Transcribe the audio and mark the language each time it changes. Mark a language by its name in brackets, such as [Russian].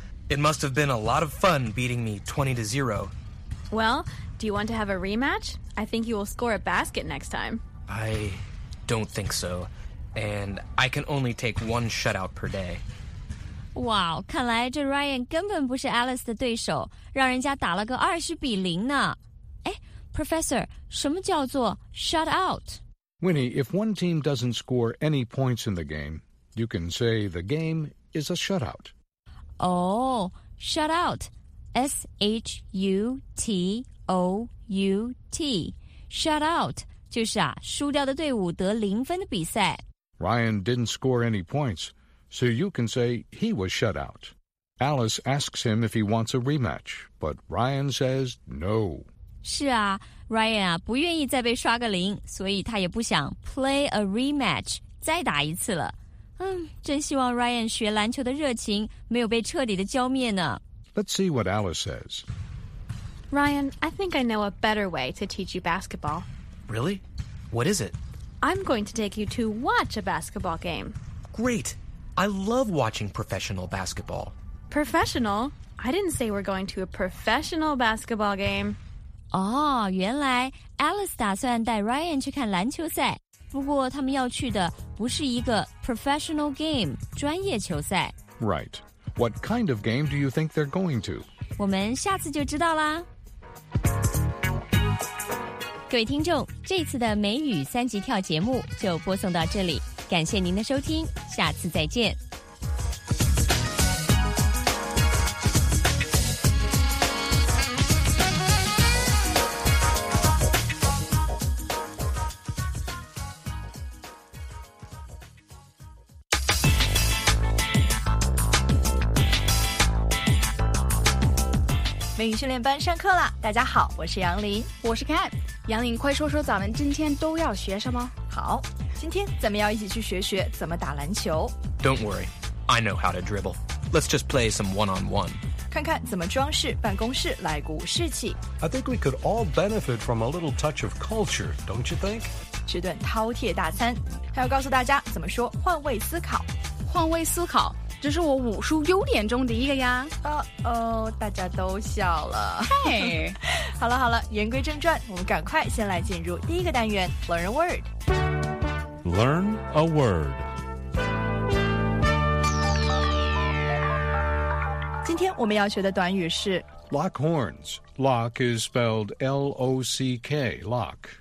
[English] It must have been a lot of fun beating me 20-0. Well, do you want to have a rematch? I think you will score a basket next time. I don't think so. And I can only take one shutout per day. [Chinese] Wow, 看来这 Ryan 根本不是 Alice 的对手，让人家打了个20-0呢。哎 ,Professor, 什么叫做 shut out? [English] Winnie, if one team doesn't score any points in the game, you can say the game is a shut out. Oh, shut out. S-H-U-T-O-U-T. Shut out, [Chinese] 就是啊输掉的队伍得零分的比赛。 [English] Ryan didn't score any points. So you can say he was shut out. Alice asks him if he wants a rematch, but Ryan says no. [Chinese] 是啊 ,Ryan 啊不愿意再被刷个零，所以他也不想 [English] play a rematch, [Chinese] 再打一次了。嗯，真希望 Ryan 学篮球的热情没有被彻底的浇灭呢。 [English] Let's see what Alice says. Ryan, I think I know a better way to teach you basketball. Really? What is it? I'm going to take you to watch a basketball game. Great! I love watching professional basketball. Professional? I didn't say we're going to a professional basketball game. [Chinese] Oh, 原来 Alice 打算带 Ryan 去看篮球赛。不过他们要去的不是一个 [English] professional game, [Chinese] 专业球赛。 [English] Right. What kind of game do you think they're going to? [Chinese] 我们下次就知道啦。各位听众，这次的美语三级跳节目就播送到这里。感谢您的收听，下次再见。美语训练班上课了。大家好，我是杨林。我是 Cat。杨林，快说说咱们今天都要学什么。好，今天咱们要一起去学学怎么打篮球。 [English] Don't worry, I know how to dribble. Let's just play some one-on-one. [Chinese] 看看怎么装饰办公室，来鼓士气。 [English] I think we could all benefit from a little touch of culture, don't you think? [Chinese] 吃顿饕餮大餐，还要告诉大家怎么说换位思考。换位思考，这是我武术优点中的一个呀。大家都笑了。嘿，好了好了，言归正传，我们赶快先来进入第一个单元 [English] Learn a word. Learn a word. [Chinese] 今天我们要学的短语是 [English] Lock horns. Lock is spelled L-O-C-K, lock.